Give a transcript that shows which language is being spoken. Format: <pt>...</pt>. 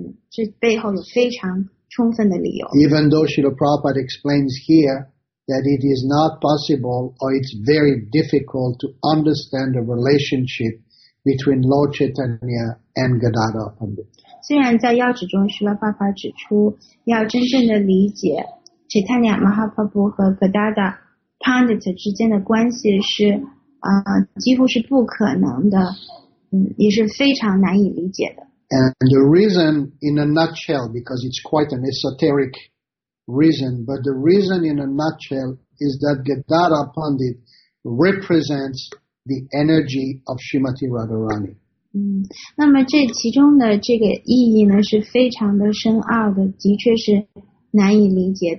<zh>这背后有非常充分的理由。</zh> <en>Even though Srila Prabhupada explains here that it is not possible or it's very difficult to understand the relationship between Lord Chaitanya and Gadara Pandit.</en> <zh>虽然在要旨中Srila Prabhupada指出要真正的理解 Chaitanya Mahaprabhu 和 Gadara Pandit 之间的关系是几乎是不可能的，也是非常难以理解的。</zh> <en>And the reason in a nutshell, because it's quite an esoteric reason, but the reason in a nutshell is that Gadara Pandit represents the energy of Srimati Radharani.</en> <zh>那么这其中的这个意义呢，是非常的深奥的，的确是难以理解。</zh>